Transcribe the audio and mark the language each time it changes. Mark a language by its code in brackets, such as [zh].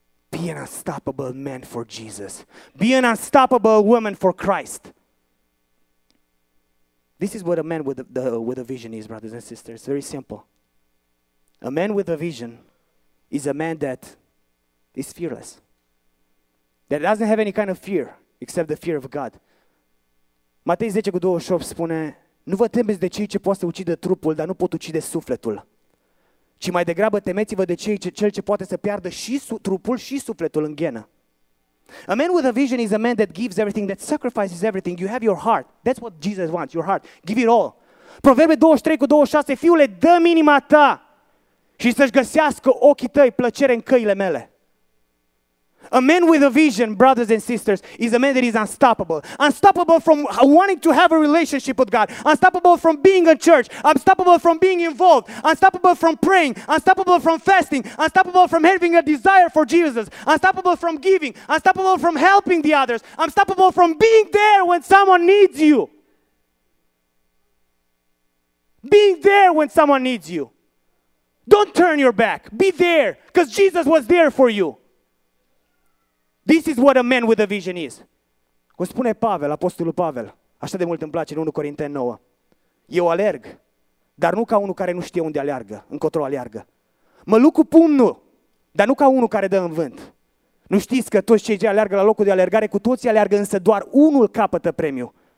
[en] Be an unstoppable man for Jesus. Be an unstoppable woman for Christ. This is what a man with a vision is, brothers and sisters. Very simple. A man with a vision is a man that is fearless, that doesn't have any kind of fear except the fear of God. [ro] Matei 10 cu 28 spune, nu vă temeți de cei ce poate să ucidă trupul, dar nu pot ucide sufletul. Ci mai degrabă temeți-vă de cel ce poate să piardă și trupul și sufletul în ghenă. [en] A man with a vision is a man that gives everything, that sacrifices everything. You have your heart. That's what Jesus wants, your heart. Give it all. [ro] Proverbe 23 cu 26, fiule, dă-mi inima ta și să-și găsească ochii tăi plăcere în căile mele. [en] A man with a vision, brothers and sisters, is a man that is unstoppable. Unstoppable from wanting to have a relationship with God. Unstoppable from being in church. Unstoppable from being involved. Unstoppable from praying. Unstoppable from fasting. Unstoppable from having a desire for Jesus. Unstoppable from giving. Unstoppable from helping the others. Unstoppable from being there when someone needs you. Being there when someone needs you. Don't turn your back. Be there, because Jesus was there for you. This is what a man with a vision is. [ro] Cum spune Pavel, apostolul Pavel, așa de mult îmi place în 1 Corinteni 9. Eu alerg, dar nu ca unul care nu știe unde aleargă, încotro aleargă. Mă luc cu pumnul, dar nu ca unul care dă în vânt. Nu știți că toți cei ce aleargă la locul de alergare, cu toții aleargă, însă doar unul capătă premiu.